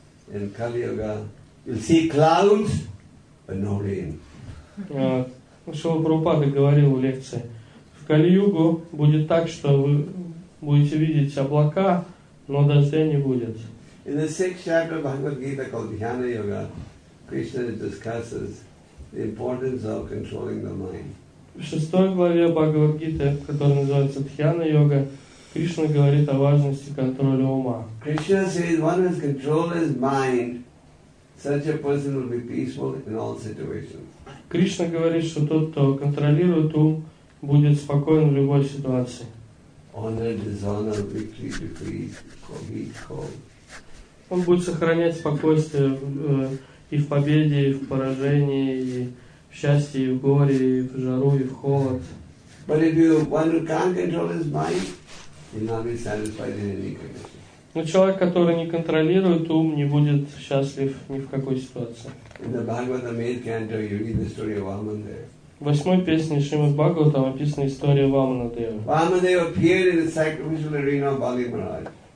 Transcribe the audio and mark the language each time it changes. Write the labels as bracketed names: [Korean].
[English] In Kali Yuga, you'll see clouds, but no rain. [Russian] Шрила Прабхупада говорил в лекции, в Кали Югу будет так, что вы будете видеть облака, но дождя не будет. [English] In the sixth chapter of Bhagavad Gita called Dhyana Yuga, Krishna discusses the importance of controlling the mind. [Russian] В шестой главе Бхагавад Гиты, которая называется Дхьяна Йога, Кришна говорит о важности контроля ума. [English] Krishna says, one who has controlled his mind, such a person will be peaceful in all situations. [Russian] Кришна говорит, что тот, кто контролирует ум, будет спокоен в любой ситуации. [English] Honor, dishonor, victory, defeat, heat, cold. [Russian] Он будет сохранять спокойствие и в победе, и в поражении, и в счастье, и в горе, и в жару, и в холод. [English] But if you, one who can't control his mind, he'll not be satisfied in any condition. [Russian] Но человек, который не контролирует ум, не будет счастлив ни в какой ситуации. [English] In the Bhagavatam 8th canto, you read the story of Vamadeva. [Russian] В восьмой песне Шримад Бхагаватам описана история Вамадева. [English] Vamadeva appeared in the sacrificial arena of Bali Maharaj.